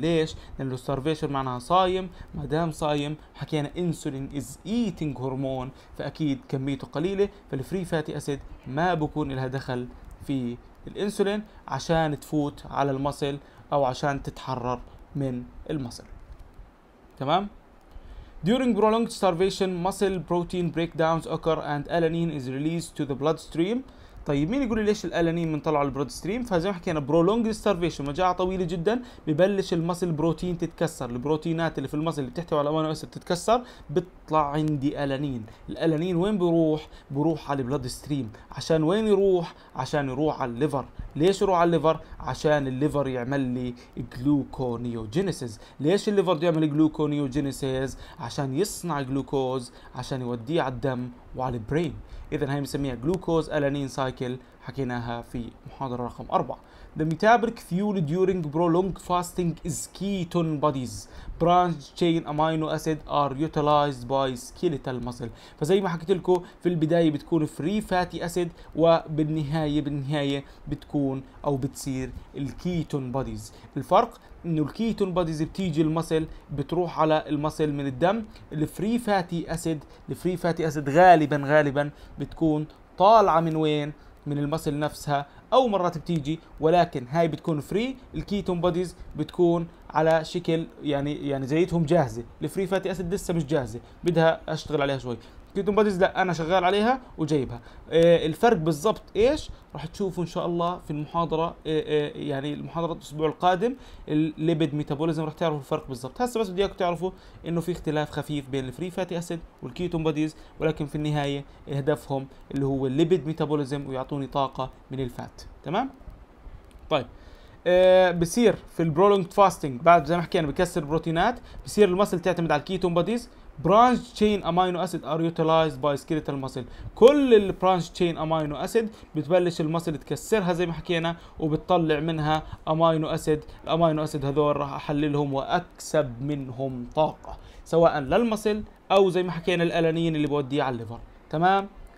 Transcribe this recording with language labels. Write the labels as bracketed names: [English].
[Arabic] ليش؟ لانه starvation معناها صايم، ما دام صايم حكينا [English] insulin as eating hormone, [Arabic] فاكيد كميته قليلة، فالفري فاتي أسيد ما بكون لها دخل في الإنسولين عشان تفوت على المصل أو عشان تتحرر من المصل. [English] تمام؟ During prolonged starvation, muscle protein breakdowns occur and alanine is released to the bloodstream. [Arabic] طيب مين يقول لي ليش الالانين بنطلعه على البرود ستريم؟ فزي ما حكينا برولونج ستارفيشن، مجاعه طويله جدا، ببلش المصل بروتين تتكسر، البروتينات اللي في المصل اللي بتحتوي على امينو اسيد تتكسر، بتطلع عندي الانين. الالانين وين بروح؟ بروح على البلود ستريم. عشان وين يروح؟ عشان يروح على الليفر. ليش يروح على الليفر؟ عشان الليفر يعمل لي جلوكونيوجينيسيس. ليش الليفر يعمل جلوكونيوجينيسيس؟ عشان يصنع جلوكوز عشان يوديه على الدم وعلى البرين. اذا هاي بنسميها جلوكوز الانين سايكل، حكيناها في محاضره رقم 4. [English] The metabolic fuel during prolonged fasting is ketone bodies. Branch chain amino acid are utilized by skeletal muscle. [Arabic] فزي ما حكيت لكم في البدايه بتكون فري فاتي اسيد، وبالنهايه بتكون او بتصير الكيتون بوديز. الفرق انه الكيتون بوديز بتيجي المسل، بتروح على المسل من الدم. الفري فاتي اسيد، الفري فاتي اسيد غالبا بتكون طالعه من وين؟ من المسل نفسها، او مرات بتيجي، ولكن هاي بتكون فري. الكيتون بوديز بتكون على شكل يعني زيتهم جاهزه، الفري فاتي اسيد لسه مش جاهزه، بدها اشتغل عليها شوي. الكيتون بوديز لا، انا شغال عليها وجايبها. الفرق بالضبط ايش؟ راح تشوفوا ان شاء الله في المحاضره، يعني المحاضره الاسبوع القادم الليبيد ميتابوليزم، راح تعرفوا الفرق بالضبط. هسه بس بدي اياكم تعرفوا انه في اختلاف خفيف بين الفري فاتي اسيد والكيتون بوديز، ولكن في النهايه هدفهم اللي هو الليبيد ميتابوليزم ويعطوني طاقه من الفات. تمام؟ طيب بصير في البرولونج فاستنج، بعد زي ما حكينا بكسر بروتينات، بصير المصل تعتمد على الكيتون بوديز. [English] Branch chain amino acid are utilized by skeletal muscle. [Arabic] كل ال branch chain amino acid بتبلش المصل تكسرها زي ما حكينا، وبتطلع منها amino acid. الامينو acid هذول راح احللهم واكسب منهم طاقة، سواء للمصل او زي ما حكينا الالانين اللي بوديه على الليفر. تمام.